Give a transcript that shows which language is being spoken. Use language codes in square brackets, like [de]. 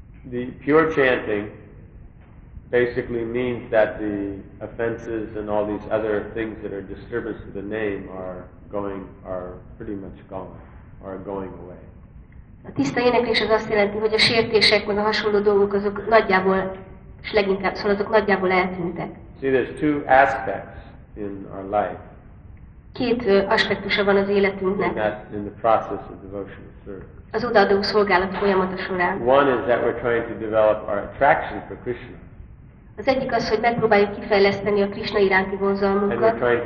[en] The pure chanting basically means that the offenses and all these other things that are disturbance to the name are pretty much gone, are going away. [hu] A tiszta éneklés az azt jelenti, hogy a sértések meg a hasonló dolgok azok nagyjából, és leginkább szóval azok nagyjából eltűntek. [en] See, there's two aspects in our life. [hu] Két aspektusa van az életünknek. [en] In the process of devotional service. [hu] Az odaadó szolgálat folyamata során. [en] One is that we're trying to develop our attraction for Krishna. [hu] Az egyik az, hogy megpróbáljuk kifejleszteni a Krishna iránti vonzalmunkat.